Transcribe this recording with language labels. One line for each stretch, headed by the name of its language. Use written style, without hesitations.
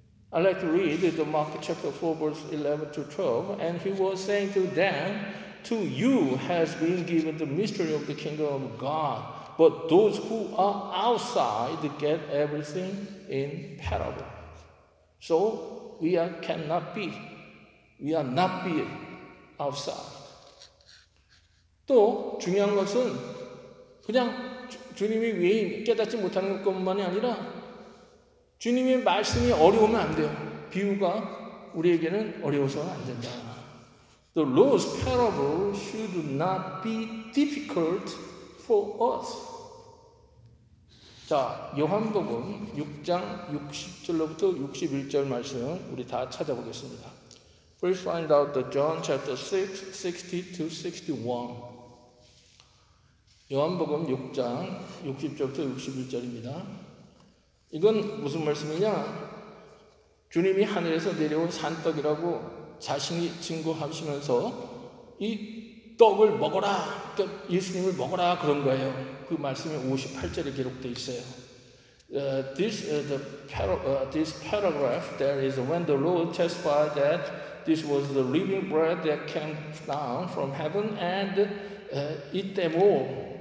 English: I like to read the Mark chapter 4 verse 11 to 12. And he was saying to them, To you has been given the mystery of the kingdom of God, but those who are outside get everything in parable. So we are not outside.
Korean: 또 중요한 것은 그냥 주님이 외인 깨닫지 못하는 것뿐만이 아니라 주님의 말씀이 어려우면 안 돼요. 비유가 우리에게는 어려워서는 안 된다.
English: The Lord's parable should not be difficult for us.
Korean: 자, 요한복음 6장 60절로부터 61절 말씀 우리 다 찾아보겠습니다.
English: Please find out the John chapter 6, 60 to 61.
Korean: 요한복음 6장 60절부터 61절입니다. 이건 무슨 말씀이냐? 주님이 하늘에서 내려온 산떡이라고 자신이 증거하시면서 이 떡을 먹어라, 그러니까 예수님을 먹어라 그런 거예요. 그 말씀이 58절에 기록되어 있어요.
English: This paragraph that is when the Lord testified that this was the living bread that came down from heaven and eat them all.